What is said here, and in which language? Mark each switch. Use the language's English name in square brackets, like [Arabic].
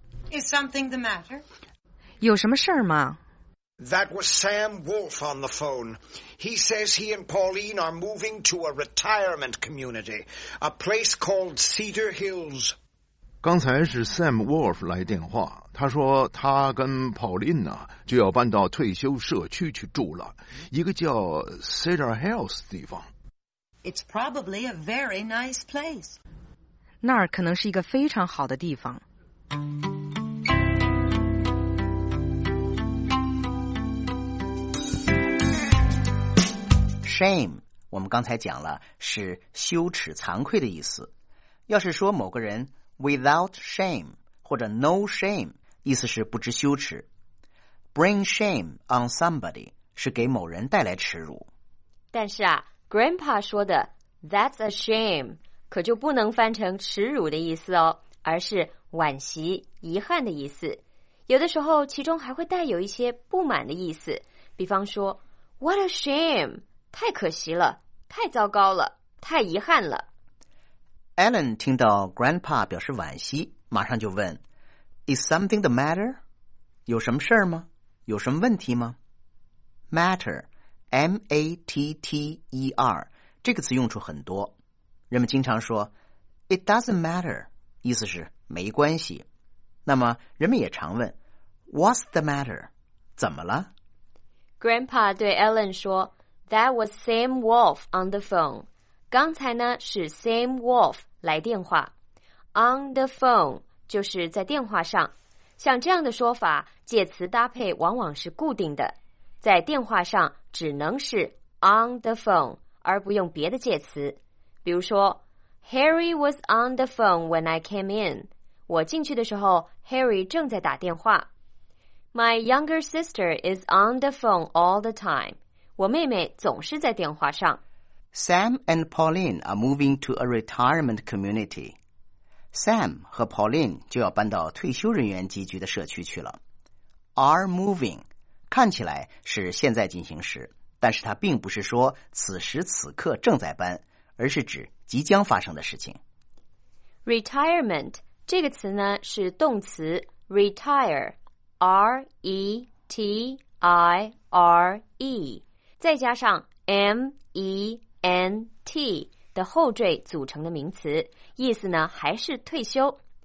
[English] Is something the matter? [Chinese] 有什么事儿吗？ [English] That was Sam Wolf on the phone. He says he and Pauline are moving to a retirement community, a place called Cedar Hills. [Chinese] 刚才是 Sam Wolf 来电话，他说他跟 Pauline 呢就要搬到退休社区去住了，一个叫 Cedar Hills 地方。 [English] It's probably a very nice place. [Chinese] 那儿可能是一个非常好的地方。 Shame， 我们刚才讲了是羞耻、惭愧的意思。要是说某个人 [English] without shame [Chinese] 或者 [English] no shame， [Chinese] 意思是不知羞耻。 [English] Bring shame on somebody [Chinese] 是给某人带来耻辱。但是啊，Grandpa 说的 [English] "That's a shame" [Chinese] 可就不能翻成耻辱的意思哦，而是惋惜、遗憾的意思。有的时候，其中还会带有一些不满的意思，比方说 [English] "What a shame!" [Chinese] 太可惜了，太糟糕了，太遗憾了。 Alan 听到 Grandpa 表示惋惜，马上就问 [English] "Is something the matter?" [Chinese] 有什么事儿吗？有什么问题吗 ？Matter。M-A-T-T-E-R 这个词用处很多，人们经常说 [English] It doesn't matter， [Chinese] 意思是没关系。那么人们也常问 [English] What's the matter？ [Chinese] 怎么了？ [English] Grandpa 对 Ellen 说 That was Sam Wolf on the phone。 [Chinese] 刚才呢是 Sam Wolf 来电话， [English] On the phone [Chinese] 就是在电话上。像这样的说法，介词搭配往往是固定的，在电话上只能是 [English] on the phone， [Chinese] 而不用别的介词。比如说 [English] ，Harry was on the phone when I came in。 [Chinese] 我进去的时候 ，Harry 正在打电话。 [English] My younger sister is on the phone all the time。 [Chinese] 我妹妹总是在电话上。 [English] Sam and Pauline are moving to a retirement community。 [Chinese] Sam 和 Pauline 就要搬到退休人员集聚的社区去了。 [English] Are moving。 [Chinese] 看起来是现在进行时，但是它并不是说此时此刻正在搬，而是指即将发生的事情。 Retirement 这个词呢是动词 retire，R-E-T-I-R-E， 再加上 M-E-N-T 的后缀组成的名词，意思呢还是退休。